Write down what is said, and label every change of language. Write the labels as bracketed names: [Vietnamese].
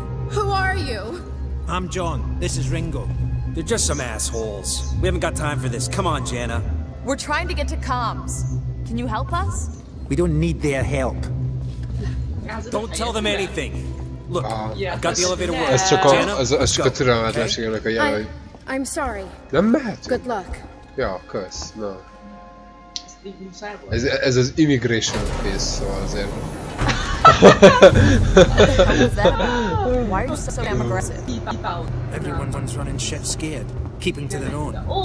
[English] Who are you? I'm John. This is Ringo. They're just some assholes. We haven't got time for this. Come on, Janna. We're trying to get to comms. Can you help us? We don't need their help. Don't tell them anything. Look, I got the elevator working. [Hungarian] Ez csak a, ez csak a türelmetlenségnek a jele. [English] I'm sorry. [Hungarian] Nem mehet. [English] Good luck. [Hungarian] Ja, kösz. No. Ez az immigration phase, szóval azért. [English] Why are you so damn aggressive? Everyone's running shit scared, keeping to their own.